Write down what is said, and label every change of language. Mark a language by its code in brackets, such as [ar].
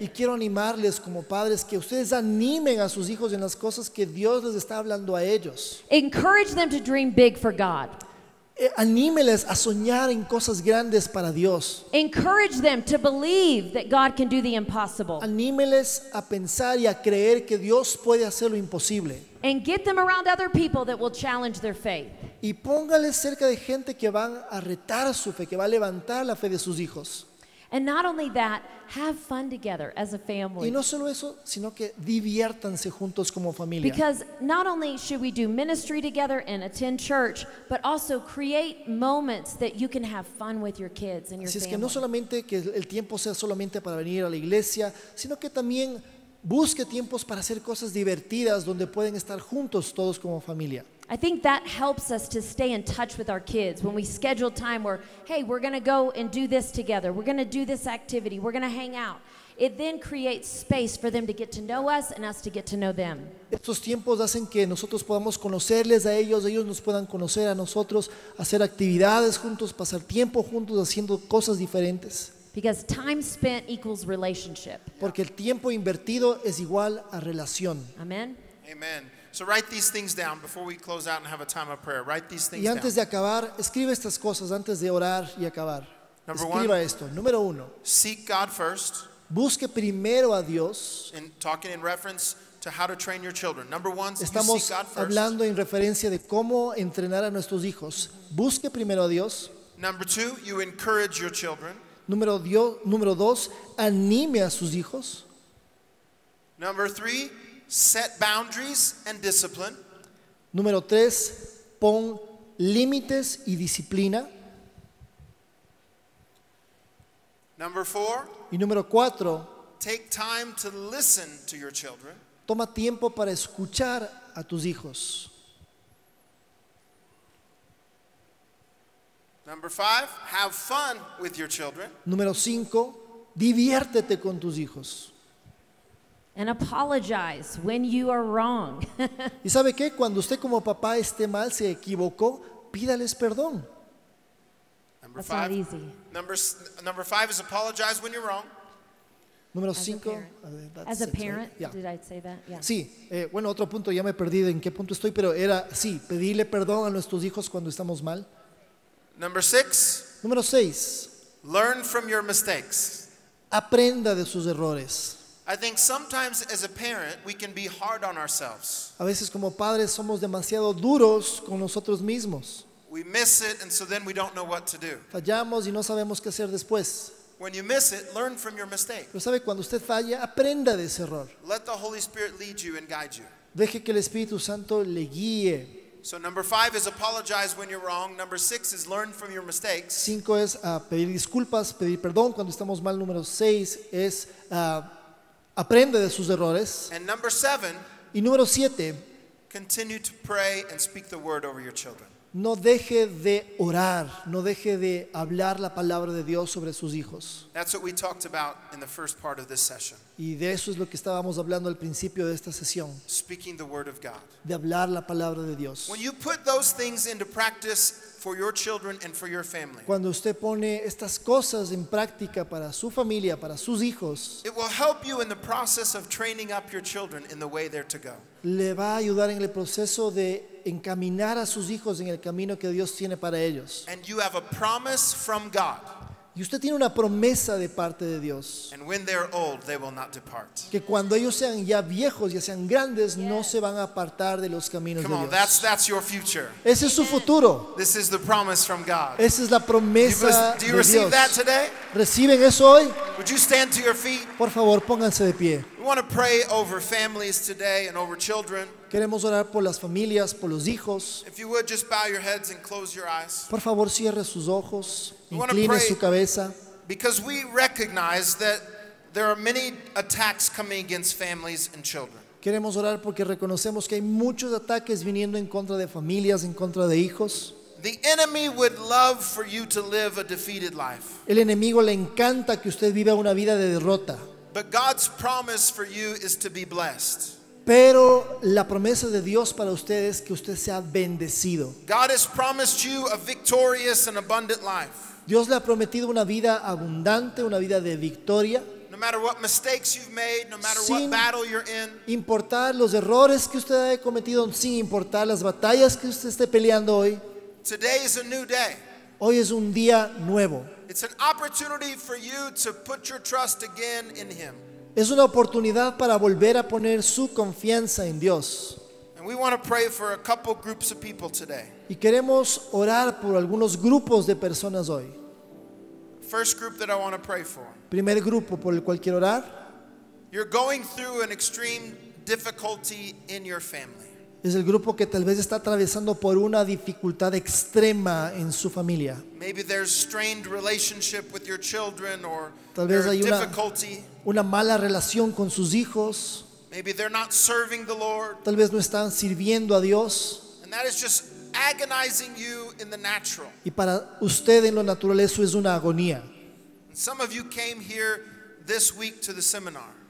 [es] Y quiero animarles como padres que ustedes animen a sus hijos en las cosas que Dios les está hablando a ellos. [en] Encourage them to dream big for God. [es] Anímeles a soñar en cosas grandes para Dios. [en] Encourage them to believe that God can do the impossible. [es] Anímeles a pensar y a creer que Dios puede hacer lo imposible. [en] And get them around other people that will challenge their faith. [es] Y póngales cerca de gente que van a retar su fe, que va a levantar la fe de sus hijos. [en] And not only that, have fun together as a family. [es] Y no solo eso, sino que diviértanse juntos como familia. [en] Because not only should we do ministry together and attend church, but also create moments that you can have fun with your kids and your family. [es] Así es que no solamente que el tiempo sea solamente para venir a la iglesia, sino que también busque tiempos para hacer cosas divertidas donde pueden estar juntos todos como familia. [en] I think that helps us to stay in touch with our kids when we schedule time where, hey, we're going to go and do this together. We're going to do this activity. We're going to hang out. It then creates space for them to get to know us and us to get to know them. [es] Estos tiempos hacen que nosotros podamos conocerles a ellos, ellos nos puedan conocer a nosotros, hacer actividades juntos, pasar tiempo juntos, haciendo cosas diferentes. [en] Because time spent equals relationship. [es] Porque el tiempo invertido es igual a relación. Amen. Amen. [en] So write these things down before we close out and have a time of prayer. Write these things down. [es] Y antes de acabar, escribe estas cosas antes de orar y acabar. [en] Number one. [es] Escriba esto. Número uno. [en] Seek God first. [es] Busque primero a Dios. [en] In talking in reference to how to train your children. Number one. [es] Estamos [en] you seek God first. [es] Hablando en referencia de cómo entrenar a nuestros hijos. Busque primero a Dios. [en] Number two. You encourage your children. [es] Número dos. Anime a sus hijos. [en] Number three. Set boundaries and discipline. [es] Número tres, pon límites y disciplina. [en] Number four. [es] Y número cuatro, [en] take time to listen to your children. [es] Toma tiempo para escuchar a tus hijos. [en] Number five, have fun with your children. [es] Número cinco, diviértete con tus hijos. [en] And apologize when you are wrong. [es] ¿Y sabe qué? Cuando usted como papá esté mal, se equivocó, pídales perdón. [en] Number five is apologize when you're wrong. [es] Número cinco. [en] As a parent, right? Yeah. Did I say that? Yeah. [es] Sí. Bueno, otro punto, ya me perdí de en qué punto estoy, pero era, sí, pedirle perdón a nuestros hijos cuando estamos mal. [en] Number six. [es] Número seis. [en] Learn from your mistakes. [es] Aprenda de sus errores. [en] I think sometimes as a parent we can be hard on ourselves. [es] A veces como padres somos demasiado duros con nosotros mismos. [en] We miss it and so then we don't know what to do. [es] Fallamos y no sabemos qué hacer después. [en] When you miss it, learn from your mistake. [es] Pero sabe, cuando usted falla, aprenda de ese error. [en] Let the Holy Spirit lead you and guide you. [es] Deje que el Espíritu Santo le guíe. [en] So number five is apologize when you're wrong. Number six is learn from your mistakes. [es] Cinco es pedir disculpas, pedir perdón cuando estamos mal. Número seis es aprende de sus errores. [en] And number seven. [es] Y número siete. [en] Continue to pray and speak the word over your children. [es] No deje de orar, no deje de hablar la palabra de Dios sobre sus hijos. [en] That's what we talked about in the first part of this session. [es] Y de eso es lo que estábamos hablando al principio de esta sesión. [en] Speaking the word of God. [es] De hablar la palabra de Dios. [en] When you put those things into practice for your children and for your family. [es] Cuando usted pone estas cosas en práctica para su familia, para sus hijos. [en] It will help you in the process of training up your children in the way they're to go. [es] Le va a ayudar en el proceso de encaminar a sus hijos en el camino que Dios tiene para ellos. [en] And you have a promise from God. [es] Y usted tiene una promesa de parte de Dios. [en] And when they are old, they will not depart. [es] Que cuando ellos sean ya viejos, ya sean grandes, [en] yes, [es] no se van a apartar de los caminos [en] Come [es] de Dios. [en] On, that's your future. [es] Ese es su futuro. [en] This is the promise from God. [es] Esa es la promesa [en] do you receive [es] de Dios. [en] That today? [es] ¿Reciben eso hoy? [en] Would you stand to your feet? [es] Por favor, pónganse de pie. [en] We want to pray over families today and over children. [es] Queremos orar por las familias, por los hijos. [en] If you would, just bow your heads and close your eyes. [es] Por favor, cierre sus ojos, incline su cabeza. [en] Because we recognize that there are many attacks coming against families and children. [es] Queremos orar porque reconocemos que hay muchos ataques viniendo en contra de familias, en contra de hijos. [en] The enemy would love for you to live a defeated life. [es] El enemigo le encanta que usted viva una vida de derrota. [en] But God's promise for you is to be blessed. [es] Pero la promesa de Dios para usted es que usted sea bendecido. [en] God has promised you a victorious and abundant life. [es] Dios le ha prometido una vida abundante, una vida de victoria. [en] No matter what mistakes you've made, no matter what battle you're in. [es] Sin importar los errores que usted haya cometido, sin importar las batallas que usted esté peleando hoy. [en] Today is a new day. [es] Hoy es un día nuevo. [en] It's an opportunity for you to put your trust again in Him. [es] Es una oportunidad para volver a poner su confianza en Dios. [en] And we want to pray for a couple groups of people today. [es] Y queremos orar por algunos grupos de personas hoy. [en] First group that I want to pray for. [es] Primer grupo por el cual quiero orar. [en] You're going through an extreme difficulty in your family. [es] Es el grupo que tal vez está atravesando por una dificultad extrema en su familia. [en] Maybe there's strained relationship with your children or [es] tal vez hay [en] difficulty. [es] Una mala relación con sus hijos. [en] Maybe they're not serving the Lord. [es] Tal vez no están sirviendo a Dios. [en] And that is just agonizing you in the natural. [es] Y para usted en lo natural eso es una agonía. [en] Some of you came here this week to the seminar.